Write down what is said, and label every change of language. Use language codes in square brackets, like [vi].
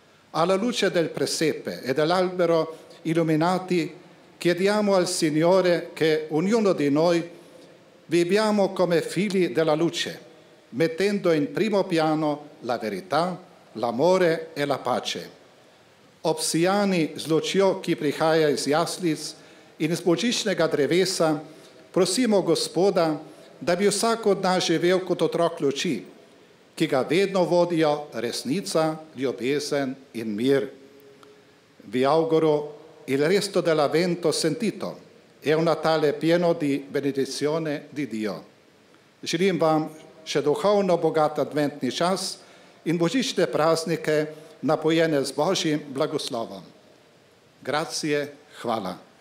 [it] Alla luce del presepe e dell'albero illuminati, chiediamo al Signore che ognuno di noi viviamo come figli della luce, mettendo in primo piano la verità, l'amore e la pace. [sl] Opsijani zlučio, ki prihaja iz jaslic in iz božičnega drevesa, prosimo Gospoda, da bi vsak od nas živel kot otrok luči, ki ga vedno vodijo resnica, ljubezen in mir. [it] Vi auguro il resto dell'avvento sentito e un Natale pieno di benedizione di Dio. [sl] Želim vam še duhovno bogat adventni čas in božične praznike napojene z Božjim blagoslovom. [it] Grazie, [sl] hvala.